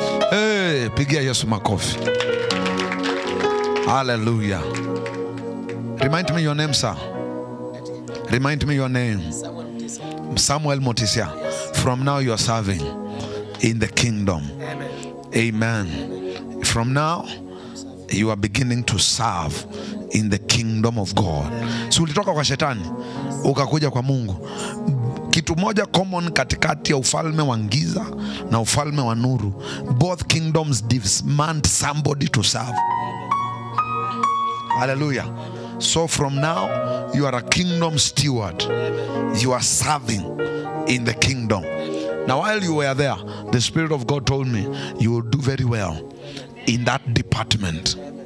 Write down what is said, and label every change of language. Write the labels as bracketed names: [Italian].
[English] Hey, [Swahili] pigia Yesu makofi. [English] Hallelujah. Remind me your name, sir. Remind me your name. Samuel Motisia. From now you are serving in the kingdom. Amen. From now you are beginning to serve in the kingdom of God. [Swahili] So ulitoka kwa shetani, ukakuja kwa Mungu. Kitu moja common katikati ya ufalme wa giza na ufalme wa nuru. [English] Both kingdoms demand somebody to serve. Hallelujah. So from now, you are a kingdom steward. You are serving in the kingdom. Now, while you were there, the Spirit of God told me you will do very well in that department.